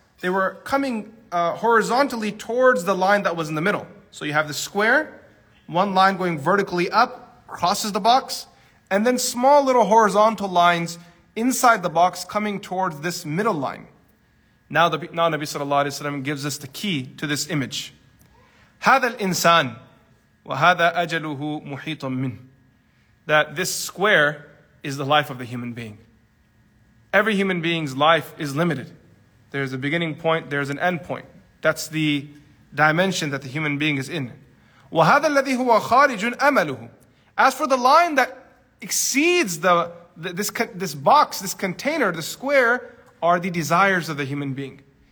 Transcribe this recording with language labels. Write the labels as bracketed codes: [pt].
[en] They were coming horizontally towards the line that was in the middle. So you have the square, one line going vertically up, crosses the box, and then small little horizontal lines inside the box coming towards this middle line. Now Nabi Sallallahu Alaihi Wasallam gives us the key to this image. [ar] هذا الإنسان وهذا أجله محيط من. [en] That this square is the life of the human being. Every human being's life is limited. There's a beginning point, there's an end point. That's the dimension that the human being is in. [ar] وَهَذَا الَّذِي هُوَ خَارِجٌ أَمَلُهُ. [en] As for the line that exceeds this box, this container, the square, are the desires of the human being.